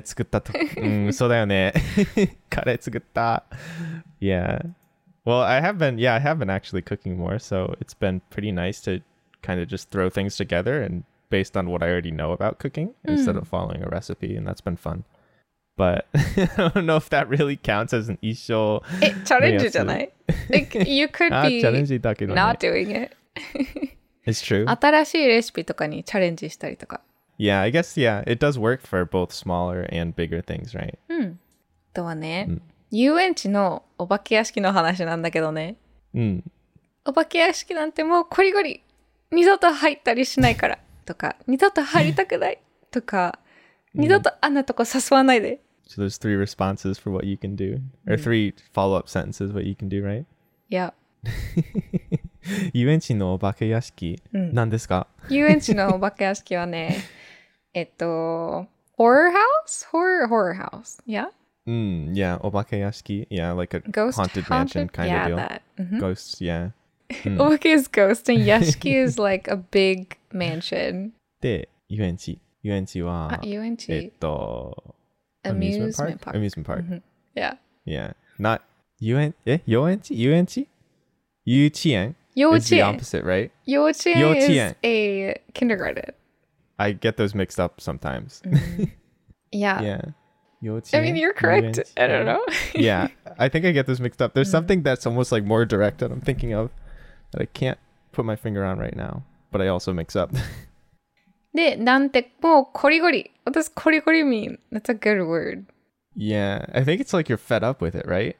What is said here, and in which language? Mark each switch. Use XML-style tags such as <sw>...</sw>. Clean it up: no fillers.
<ja>最近はカレー作った。カレー作ったと。うん、そうだよね。カレー作った。</ja> <en>Yeah. Well, I have been actually cooking more, so it's been pretty nice to kind of just throw things together and based on what I already know about cooking instead of following a recipe, and that's been fun. But I don't know if that really counts as an 一緒.</en> <ja>え、チャレンジじゃない?</ja> <en>Like, you could be</en> <ja>チャレンジだけどね。</ja> <en>Not doing it. It's true.</en> <ja>新しいレシピとかにチャレンジしたりとか.</ja> <en>Yeah, I guess, yeah. It does work for both smaller and bigger things, right?</en> <ja>とはね、遊園地のお化け屋敷の話なんだけどね. お化け屋敷なんてもうコリゴリ二度と入ったりしないからとか、二度と入りたくないとか、二度とあんなとこ誘わないで.</ja> <en>So there's three responses for what you can do, or three follow-up sentences what you can do, right? Yeah.</en> <ja>遊園地のお化け屋敷、何ですか? 遊園地のお化け屋敷はね、</ja> <en>horror house? Horror house. Yeah? Mm, yeah, お化け屋敷.Yeah, like a ghost haunted mansion kind yeah, of deal. Yeah, that. Mm-hmm. Ghosts, yeah. Mm. お化け is ghost, and 屋敷 is like a big mansion.</en> <ja>で、遊園地。遊園地は、遊園地。</ja> <en>Amusement park. Amusement park. Mm-hmm. Yeah.</en> <ja>Yeah. Not, 遊園地?遊園地? 遊園地?幼稚園? 幼稚園.</ja> <en>Is the opposite, right? 幼稚園, 幼稚園 is a kindergarten. I get those mixed up sometimes. Mm-hmm. Yeah. Yeah. 幼稚園, I mean, you're correct. I don't know. Yeah. I think I get those mixed up. There's mm-hmm. something that's almost like more direct that I'm thinking of that I can't put my finger on right now, but I also mix up.</en> <ja>で、なんて、もう、コリゴリ。</ja> <en>What does コリゴリ mean? That's a good word. Yeah, I think it's like you're fed up with it, right?</en>